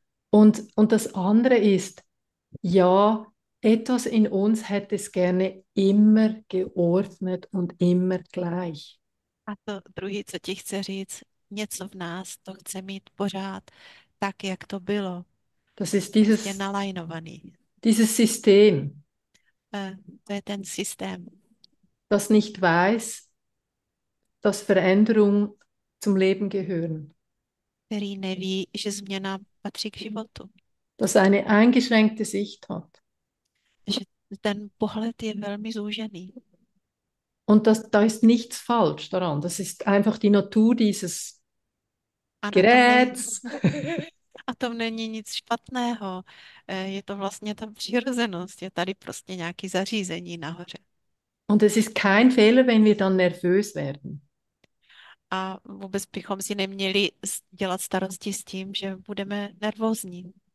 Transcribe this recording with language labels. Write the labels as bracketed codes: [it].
[de] Und das andere ist, ja, etwas in uns hätte es gerne immer geordnet und immer gleich. [cs] A to druhý, co ti chce říct, něco v nás to chce mít pořád tak, jak to bylo. [de] Das ist [cs] Prostě nalajnovaný. [de] dieses System, [cs] To je ten systém. [de] das nicht weiß, dass Veränderung zum Leben gehören. [cs] Který neví, že změna patří k životu. [de] Das eine eingeschränkte Sicht hat. [cs] Že ten pohled je velmi zúžený. [de] Und das, da ist nichts falsch daran. Das ist einfach die Natur dieses [cs] Ano, tam není. Kirec! A to není nic špatného. Je to vlastně ta přirozenost. Je tady prostě nějaké zařízení nahoře. [de] Und es ist kein Fehler, wenn wir dann nervös werden. [cs] A vůbec bychom si neměli dělat starosti s tím, že budeme nervózní.